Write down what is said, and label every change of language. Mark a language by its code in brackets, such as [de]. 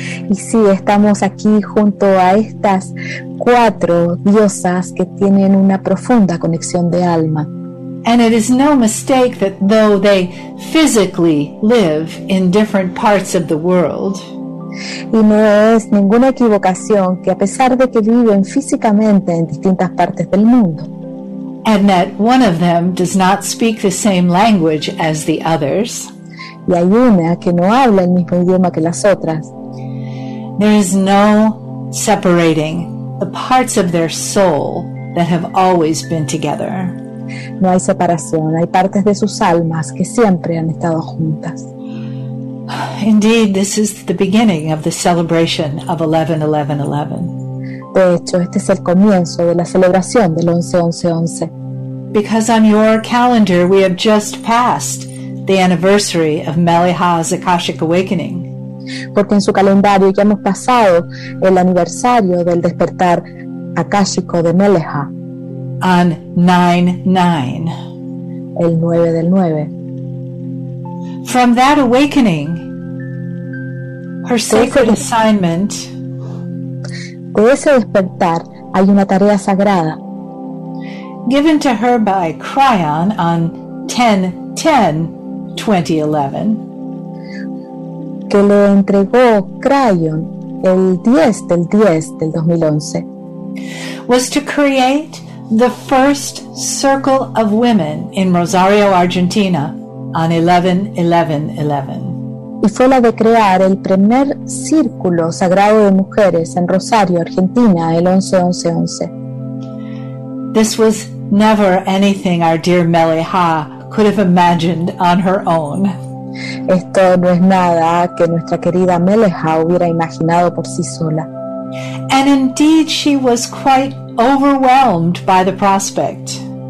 [es] Y sí, estamos aquí junto a estas cuatro diosas que tienen una profunda conexión de alma. [en] And it is no mistake that though they physically live in different parts of the world, [es] y no es ninguna equivocación que a pesar de que viven físicamente en distintas partes del mundo, [en] and that one of them does not speak the same language as the others, [es] y hay una que no habla el mismo idioma que las otras, [en] there is no separating the parts of their soul that have always been together. [es] No hay separación, hay partes de sus almas que siempre han estado juntas. [en] Indeed, this is the beginning of the celebration of 11-11-11. [es] De hecho, este es el comienzo de la celebración del 11-11-11. [en] Because on your calendar we have just passed the anniversary of Meliha's Akashic Awakening. [es] Porque en su calendario ya hemos pasado el aniversario del despertar akáshico de Meliha. [en] On 9-9. [es] El 9 del 9. [en] From that awakening, her sacred assignment. [es] De ese despertar hay una tarea sagrada. [en] Given to her by Kryon on 10-10-2011. [es] Que le entregó Kryon el 10 del 2011. [en] Was to create the first circle of women in Rosario, Argentina on 11-11-11. [es] Y fue la de crear el primer círculo sagrado de mujeres en Rosario, Argentina, el 11-11-11. [en] This was never anything our dear Meliha could have imagined on her own. [es] Esto no es nada que nuestra querida Meliha hubiera imaginado por sí sola. [en] And indeed she was quite overwhelmed by the prospect.